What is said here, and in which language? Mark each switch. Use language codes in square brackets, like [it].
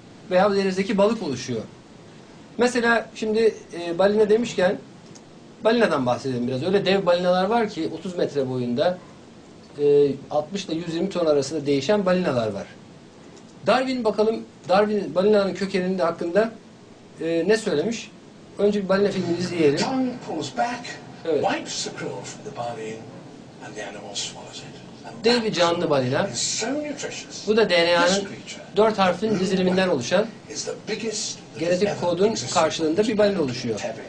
[tr] Veya denizdeki balık oluşuyor. Mesela şimdi balina demişken, balinadan bahsedelim biraz. Öyle dev balinalar var ki 30 metre boyunda 60 ile 120 ton arasında değişen balinalar var. Darwin bakalım, Darwin balinanın kökeninin de hakkında ne söylemiş? Önce bir balina filmini izleyelim. [en] The tongue pulls back, wipes the crawl from the body and the animal swallows it. [tr] Dev bir canlı balina. Bu da DNA'nın 4 harfin diziliminden oluşan genetik kodun karşılığında bir balina oluşuyor.